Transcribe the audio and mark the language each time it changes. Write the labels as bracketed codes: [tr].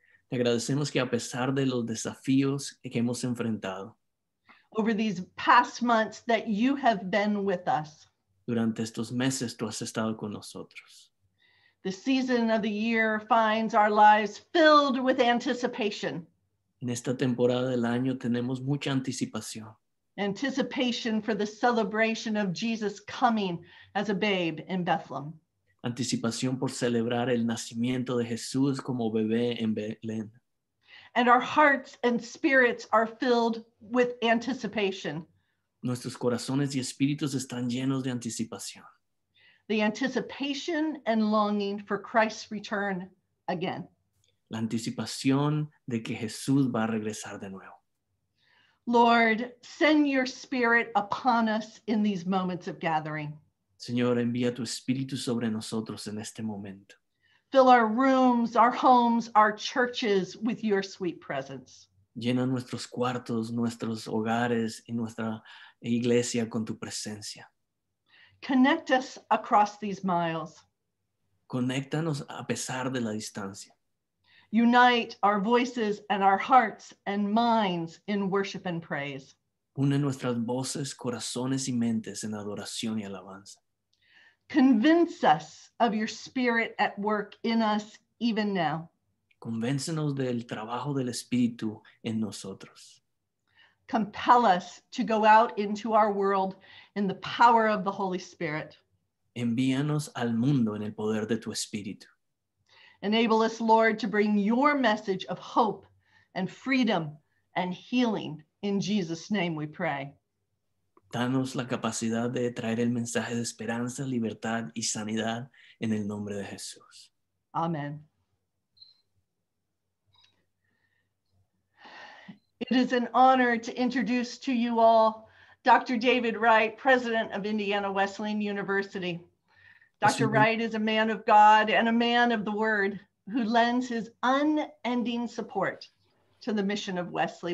[es] Te agradecemos que a pesar de los desafíos que hemos enfrentado. [en] Over these past months that you have been with us. [es] Durante estos meses tú has estado con nosotros. [en] The season of the year finds our lives filled with anticipation. [es] En esta temporada del año tenemos mucha anticipación. [en] Anticipation for the celebration of Jesus coming as a babe in Bethlehem. [es] Anticipación por celebrar el nacimiento de Jesús como bebé en Belén. [en] And our hearts and spirits are filled with anticipation. [es] Nuestros corazones y espíritus están llenos de anticipación. [en] The anticipation and longing for Christ's return again. [es] La anticipación de que Jesús va a regresar de nuevo. [en] Lord, send your Spirit upon us in these moments of gathering. [es] Señor, envía tu Espíritu sobre nosotros en este momento. [en] Fill our rooms, our homes, our churches with your sweet presence. [es] Llena nuestros cuartos, nuestros hogares y nuestra iglesia con tu presencia. [en] Connect us across these miles. [es] Conéctanos a pesar de la distancia. [en] Unite our voices and our hearts and minds in worship and praise. [es] Une nuestras voces, corazones y mentes en adoración y alabanza. [en] Convince us of your Spirit at work in us even now. [es] Convéncenos del trabajo del Espíritu en nosotros. [en] Compel us to go out into our world in the power of the Holy Spirit. [es] Envíanos al mundo en el poder de tu Espíritu. [en] Enable us, Lord, to bring your message of hope and freedom and healing. In Jesus' name we pray. [es] Danos la capacidad de traer el mensaje de esperanza, libertad y sanidad en el nombre de Jesús. [en] Amen. It is an honor to introduce to you all Dr. David Wright, president of Indiana Wesleyan University. Dr. Wright is a man of God and a man of the word who lends his unending support to the mission of Wesley.